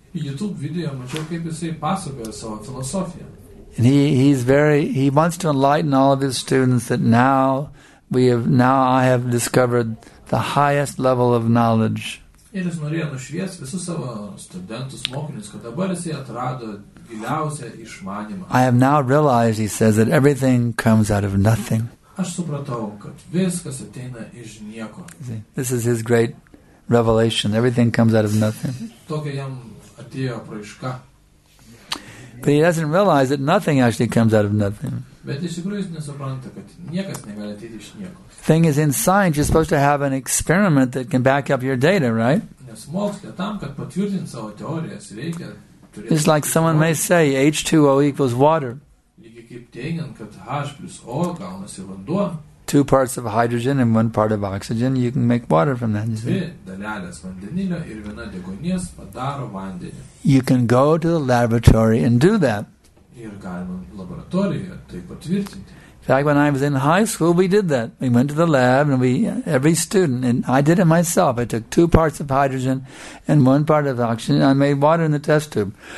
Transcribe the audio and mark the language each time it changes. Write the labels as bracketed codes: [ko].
[lt] YouTube video, mačiau kaip jisai pasakoja savo filosofiją. [en] And he wants to enlighten all of his students that now I have discovered the highest level of knowledge. [lt] Ir jis norėjo nušviesti visus savo studentus, mokinius, kad dabar jisai atrado giliausią išmanimą. [en] I have now realized, he says, that everything comes out of nothing. [lt] Aš supratau, kad viskas ateina iš nieko. [en] This is his great revelation. Everything comes out of nothing. [lt] Tokia jam atėjo apraiška. [en] But he doesn't realize that nothing actually comes out of nothing. [lt] Bet iš tikrųjų jis nesupranta, kad niekas negali ateiti iš nieko. [en] Thing is, in science, you're supposed to have an experiment that can back up your data, right? [lt] Nes mokslė tam, kad patvirtint savo teorijas, reikia turėti... [en] It's like someone may say, H2O equals water. [lt] Lygiai kaip teigiant, kad H plus O gaunasi vanduo. [en] Two parts of hydrogen and one part of oxygen, you can make water from that. [lt] Dvi dalelės vandenilio ir viena deguonies padaro vandenį. [en] You can go to the laboratory and do that. [lt] Ir galima laboratorijoje tai patvirtinti. [en] Back when I was in high school, we did that. We went to the lab, and every student, and I did it myself. I took two parts of hydrogen and one part of oxygen, and I made water in the test tube.